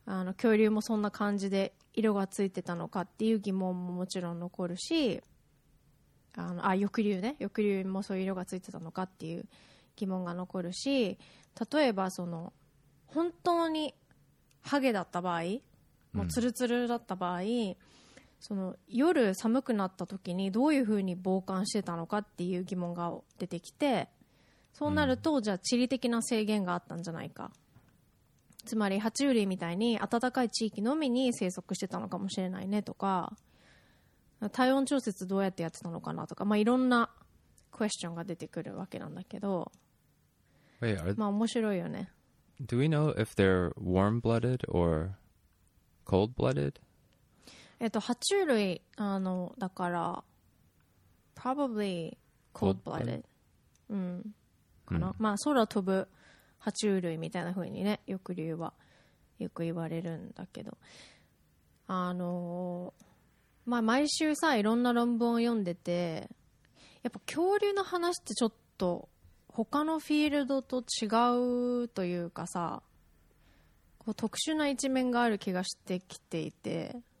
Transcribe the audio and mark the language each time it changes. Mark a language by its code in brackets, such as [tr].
[ja] あの恐竜もそんな感じで色がついてたのかっていう疑問ももちろん残るし、翼竜ね、翼竜もそういう色がついてたのかっていう疑問が残るし、例えばその本当にハゲだった場合、もうツルツルだった場合、うん、その夜寒くなった時にどういう風に防寒してたのかっていう疑問が出てきて、そうなるとじゃあ地理的な制限があったんじゃないか、つまり爬虫類みたいに暖かい地域のみに生息してたのかもしれないねとか、体温調節どうやってやってたのかなとか、まあいろんなクエスチョンが出てくるわけなんだけど、まあ面白いよね。 [en] Do we know if they're warm-blooded or cold-blooded? [ja] 爬虫類、だから [en] probably cold-blooded、 [ja] うん、かな、うん、まあ空飛ぶ爬虫類みたいな風にね、翼竜はよく言われるんだけど、まあ毎週さ、いろんな論文を読んでて、やっぱ恐竜の話ってちょっと他のフィールドと違うというかさ、こう特殊な一面がある気がしてきていて、